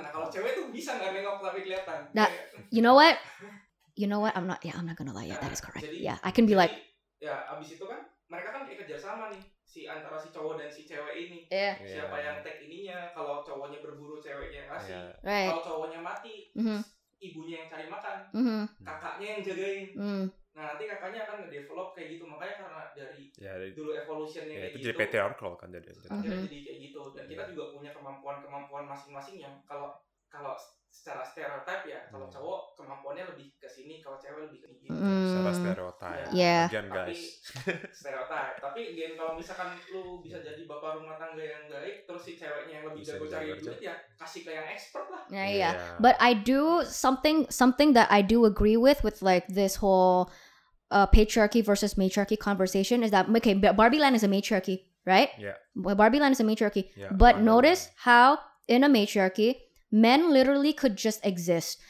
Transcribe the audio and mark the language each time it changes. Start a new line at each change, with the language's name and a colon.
Indonesian: Nah, kalau cewek tuh bisa nggak nengok tapi kelihatan.
English: Nah, you know what? I'm not gonna lie. Yeah, that is correct.
Indonesian: Jadi,
English: yeah, I can be
Indonesian: jadi,
English: like. Yeah,
Indonesian: abis itu kan mereka kan kerja sama nih si antara si cowok dan si cewek ini.
English: Yeah.
Indonesian: Siapa yang tag ininya? Kalau cowoknya berburu, ceweknya ngasih.
English: Yeah. Right.
Indonesian: Kalau cowoknya mati, ibunya yang cari makan, kakaknya yang jagain. Mm. Nah nanti kakaknya akan nge-develop kayak gitu, makanya karena dari dulu evolusinya kayak itu gitu. Jadi patriarchal kan jadi. Jadi kayak gitu, dan kita juga punya kemampuan masing-masing yang kalau secara stereotype ya, kalau cowok kemampuannya lebih ke sini, kalau cewek lebih ke sini. Stereotype. Tapi again, kalau misalkan lu bisa jadi bapak rumah tangga yang baik, terus si ceweknya yang lebih jago cari duit, ya kasih ke yang expert lah.
English: Yeah. But I do something that I do agree with like this whole patriarchy versus matriarchy conversation is that, okay, Barbie Land is a matriarchy, right? Yeah. Barbie Land is a matriarchy. Yeah, but Barbie notice Land. How in a matriarchy, men literally could just exist.